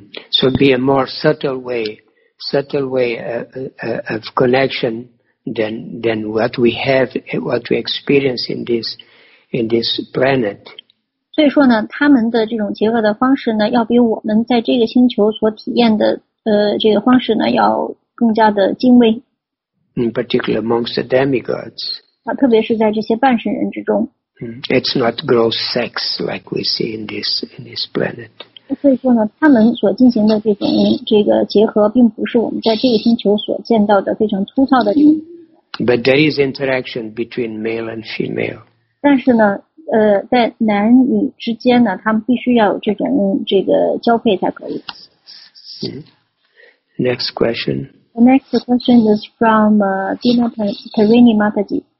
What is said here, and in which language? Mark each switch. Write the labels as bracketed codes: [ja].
[en] So be a more subtle way of connection than what we have, what we experience in this planet. [zh] 所以说呢，他们的这种结合的方式呢，要比我们在这个星球所体验的这个方式呢，要更加的精微。 [en] In particular amongst the demigods. [zh] 特别是在这些半神人之中。 [en] It's not gross sex like we see in this planet. [zh] 所以说呢，他们所进行的这个结合，并不是我们在这个星球所见到的非常粗糙的。 [en] But there is interaction between male and female. [zh] 但是呢，在男女之间呢，他们必须要有这个交配才可以。 [en] Next question. The next question is from Dina Tarini Mataji.